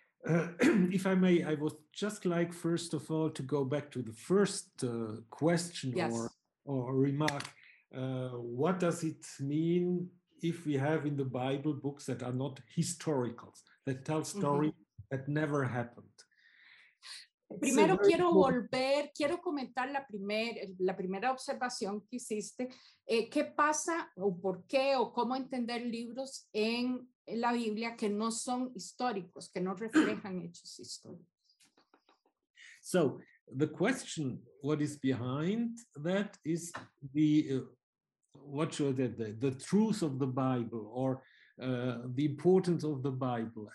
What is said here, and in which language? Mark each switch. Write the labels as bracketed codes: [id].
[en] If I may, I would just like, first of all, to go back to the first question. Yes. or remark. What does it mean if we have in the Bible books that are not historical, that tell stories that never happened? [es] Primero quiero volver, quiero comentar la primera observación que hiciste. ¿Qué pasa o por qué o cómo entender libros en la Biblia que no son históricos, que no reflejan hechos históricos? [en] So, the question, what is behind that is the truth of the Bible or the importance of the Bible.